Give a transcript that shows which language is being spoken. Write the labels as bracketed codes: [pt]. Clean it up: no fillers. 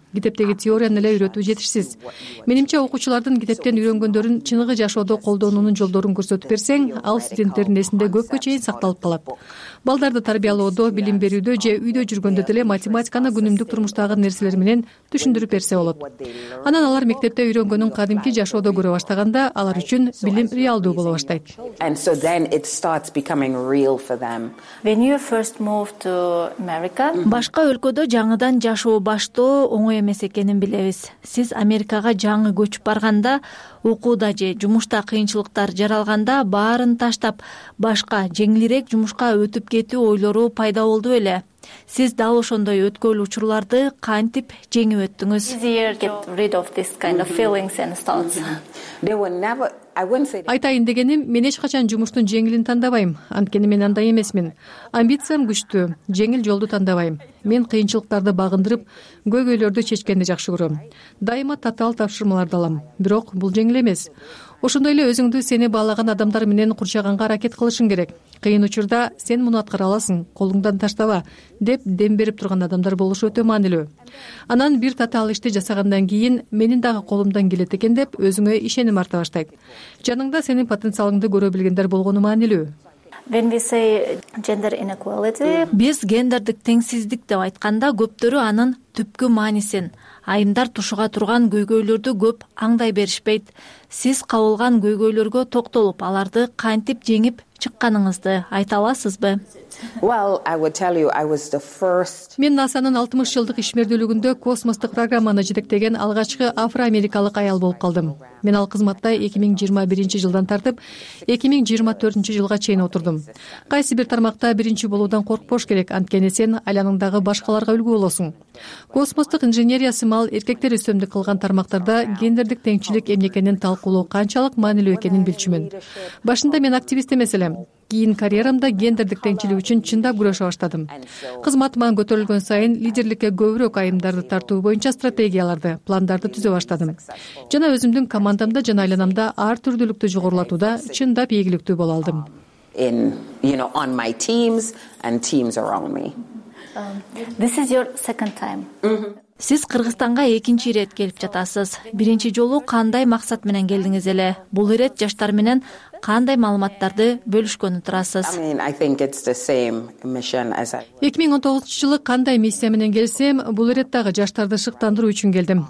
[ky] Китептеги теорияны эле үйрөтүү жетишсиз. Менимче, окуучулардын китептен үйрөнгөндөрүн чыныгы жашоодо колдонуунун жолдорун көрсөтүп берсең, ал студенттердин эсинде көпкө чейин сакталып калат. Балдарды тарбиялоодо, билим берүүдө же үйдө жүргөндө деле математиканы күнүмдүк турмуштагы нерселер менен түшүндүрүп берсе болот. Анан алар мектепте үйрөнгөнүн кадимки жашоодо көрө баштаганда, алар үчүн билим реалдуу боло баштайт. [en] And so then it starts becoming real for them. When you first moved to America, [ky] башка өлкөдө жаңыдан жашоо баштоо оңой эмес экенин билебиз. Сиз Америкага жаңы көчүп барганда, окууда же жумушта кыйынчылыктар жаралганда, баарын таштап башка жеңилирээк жумушка өтүп кетүү ойлору пайда болду беле? Сиз дал ошондой өткөл учурларды кантип жеңип өттүңүз? Айтайын дегеним, мен эч качан жумуштун жеңилин тандабайм, анткени мен андай эмесмин. Амбициям күчтүү, жеңил жолду тандабайм. Мен кыйынчылыктарды багындырып, көйгөйлөрдү чечкенди жакшы көрөм. Дайыма татаал тапшырмаларды алам, бирок бул жеңил эмес. Ошондой эле өзүңдү сени баалаган адамдар менен курчаганга аракет кылышың керек. Кыйын учурда сен муну аткара аласың, колуңдан таштаба деп дем берип турган адамдар болушу өтө маанилүү. Анан бир татаал ишти жасагандан кийин менин дагы колумдан келет экен деп өзүңө ишеним арта баштайт. Жаныңда сенин потенциалыңды көрө билгендер болгону маанилүү. [en] When we say gender inequality, [ky] биз гендердик теңсиздик деп айтканда көптөрү анын түпкү маанисин, айымдар тушуга турган көйгөйлөрдү көп аңдай беришпейт. Сиз кабылган көйгөйлөргө токтолуп, аларды кантип жеңип чыкканыңызды айта аласызбы? Мен NASA'нын 60 жылдык ишмердүүлүгүндө космостук программаны жетектеген алгачкы афроамерикалык аял болуп калдым. Мен ал кызматта 2021 жылдан тартып 2024 жылга чейин отурдум. Кайсы бир тармакта биринчи болуудан коркпош керек, анткени сен айланыңдагы башкаларга үлгү болосуң. Космостук инженериясы мал эркектер үстөмдүк кылган тармактарда гендердик теңчилик эмне экенин талкуулоо канчалык маанилүү экенин билчүмүн. Башында мен активист эмес элем. Кийин карьерамда гендердик теңчилик үчүн чындап күрөшө баштадым. Кызматыма көтөрүлгөн сайын лидерликке көбүрөөк айымдарды тартуу боюнча стратегияларды, пландарды түзө баштадым. Жана өзүмдүн командамда жана айланамда ар түрдүүлүктү жогорулатууда чындап ийгиликтүү боло алдым. [en] This is your second time. [ky] Сиз Кыргызстанга экинчи ирет келип жатасыз. Биринчи жолу кандай максат менен келдиңиз эле? Бул ирет жаштар менен кандай маалыматтарды бөлүшкөнү турасыз? 2019 жылы кандай миссия менен келсем, бул ирет дагы жаштарды шыктандыруу үчүн келдим.